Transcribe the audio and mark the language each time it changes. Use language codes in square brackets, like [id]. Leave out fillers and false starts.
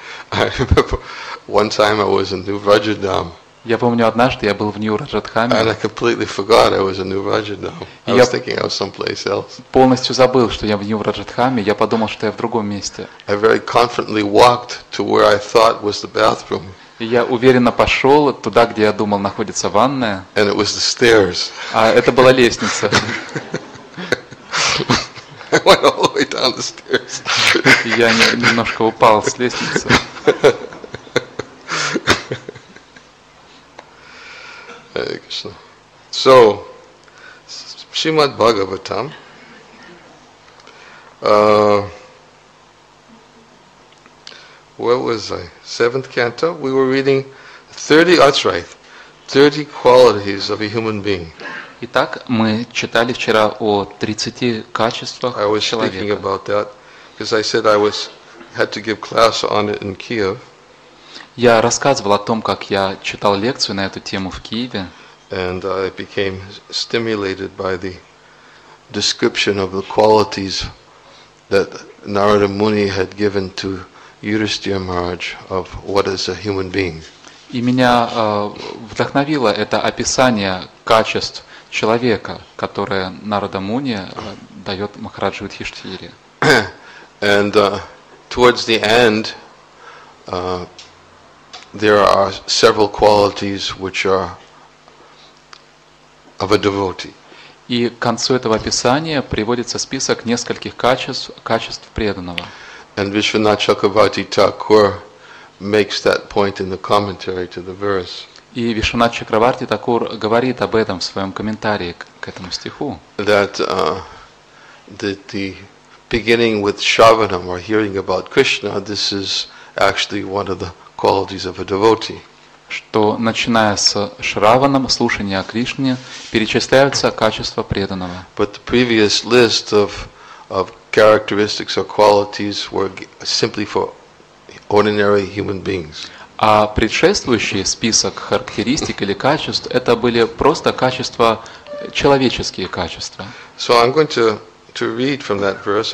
[en] I remember one time I was in New Rajadam. [ru] Я помню, однажды я был в Нью-Раджатхаме. [en] And I completely forgot I was in Nью-Раджатхаме. I was thinking I was someplace else. [ru] Полностью забыл, что я в Нью-Раджатхаме. Я подумал, что я в другом месте. [en] I very confidently walked to where I thought was the bathroom. [ru] Я уверенно пошел туда, где я думал находится ванная. [en] And it was the stairs. [ru] А это была лестница. [en] I went all the way down the stairs. [ru] Я немножко упал с лестницы. [en] So, Srimad Bhagavatam, uh, Where was I? Seventh canto? We were reading 30, that's right, 30 qualities of a human being. [ru] Итак, мы читали вчера о 30 качествах человека. [en] I was speaking about that because I said I was had to give class on it in Kiev. [ru] Я рассказывал о том, как я читал лекцию на эту тему в Киеве. [en] And I became stimulated by the description of the qualities that Narada Muni had given to Yudhishthira Maharaj of what is a human being. [ru] И меня вдохновило это описание качеств человека, которое Нарада Муни дает Махараджу Юдхиштхире. [en] And towards the end, there are several qualities which are of a devotee. [ru] И к концу этого описания приводится список нескольких качеств преданного. [en] And Vishwanath Chakravarti Thakur makes that point in the commentary to the verse. [ru] И Вишванат Чакраварти Такур говорит об этом в своем комментарии к этому стиху. [en] That the beginning with shravanam or hearing about Krishna, this is actually one of the qualities of a devotee. [ru] Что начиная с шраванам, слушания о Кришне, перечисляются качества преданного. [en] But the previous list of characteristics or qualities were simply for ordinary human beings. [ru] А предшествующий список характеристик или качеств – это были просто качества, человеческие качества. [en] So I'm going to read from that verse.